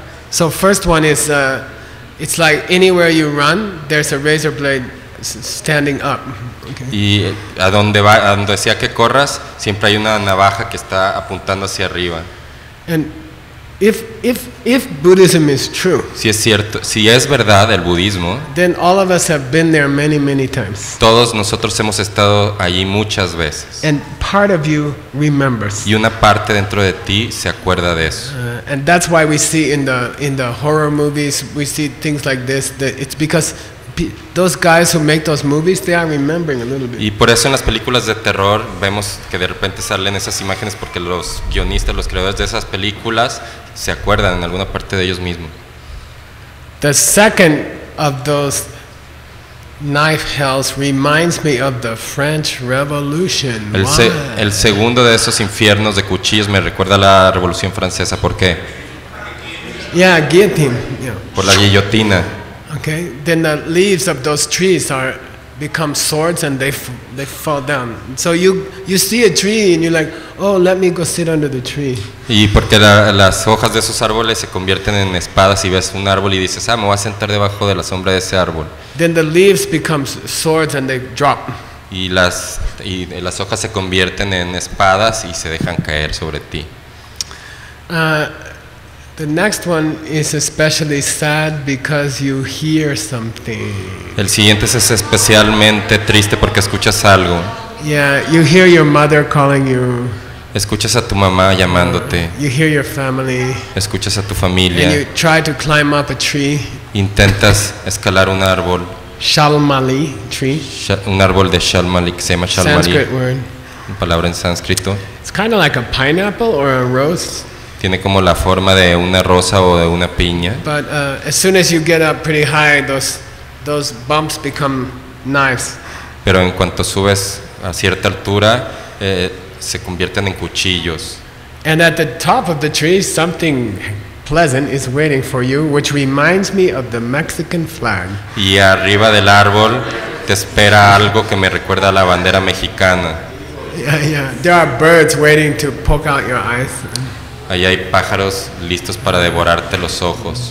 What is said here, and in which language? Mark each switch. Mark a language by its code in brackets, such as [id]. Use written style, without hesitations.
[en] So first one is, it's like anywhere you run, there's a razor blade standing up. [es] Okay. Y a donde va, a donde sea que corras, siempre hay una navaja que está apuntando hacia arriba. [en] And if Buddhism is true, [es] si es cierto, si es verdad el budismo, [en] then all of us have been there many, many times. [es] Todos nosotros hemos estado allí muchas veces. [en] And part of you remembers. [es] Y una parte dentro de ti se acuerda de eso. [en] And that's why we see in the horror movies, we see things like this, that it's because those guys who make those movies, they are remembering a little bit. [es] Y por eso en las películas de terror vemos que de repente salen esas imágenes porque los guionistas, los creadores de esas películas se acuerdan en alguna parte de ellos mismos. [en] The second of those knife hells reminds me of the French Revolution. [es] El segundo de esos infiernos de cuchillos me recuerda a la Revolución Francesa. ¿Por qué? [en] Yeah, guillotine. Yeah. [es] Por la guillotina. [en] Okay, then the leaves of those trees become swords and they fall down. So you see a tree and you're like, oh, let me go sit under the tree. [es] Y porque las hojas de esos árboles se convierten en espadas y ves un árbol y dices, ah, me voy a sentar debajo de la sombra de ese árbol. [en] Then the leaves become swords and they drop. [es] Y las hojas se convierten en espadas y se dejan caer sobre ti. [en] The next one is especially sad because you hear something. [es] El siguiente es especialmente triste porque escuchas algo. [en] Yeah, you hear your mother calling you. [es] Escuchas a tu mamá llamándote. [en] You hear your family. [es] Escuchas a tu familia. [en] And you try to climb up a tree. [es] Intentas escalar un árbol. [en] Shalmali tree. [es] Un árbol de Shalmali, que se llama Shalmali. [en] Sanskrit word. [es] Una palabra en sánscrito. [en] It's kind of like a pineapple or a rose. [es] Tiene como la forma de una rosa o de una piña. [en] But as soon as you get up pretty high, those bumps become knives. [es] Pero en cuanto subes a cierta altura, se convierten en cuchillos. [en] And at the top of the tree, something pleasant is waiting for you, which reminds me of the Mexican flag. [es] Y arriba del árbol te espera algo que me recuerda a la bandera mexicana. [en] Yeah, there are birds waiting to poke out your eyes. [es] Ahí hay pájaros listos para devorarte los ojos.